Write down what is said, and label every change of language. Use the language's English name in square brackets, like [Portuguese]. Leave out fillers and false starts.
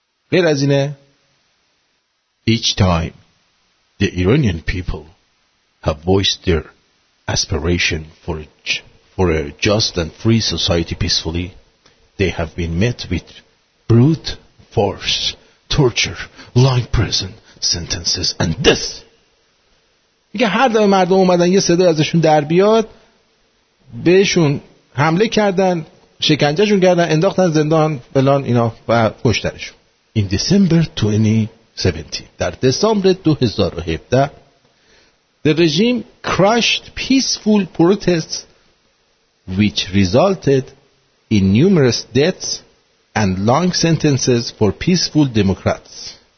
[Persian] غیر از اینه [English] Each time the Iranian people have voiced their aspiration for a just and free society peacefully, they have been met with brute force, torture, long prison sentences and death. [Persian] میگه هر دفعه مردم اومدن یه صدای ازشون در بیاد بهشون حمله کردن، شکنجهشون کردن، انداختن زندان فلان اینا و کشتنشون. [English] In December 2017, [Persian] در دسامبر 2017, [English] the regime crushed peaceful protests which resulted in numerous deaths and long sentences for peaceful Democrats.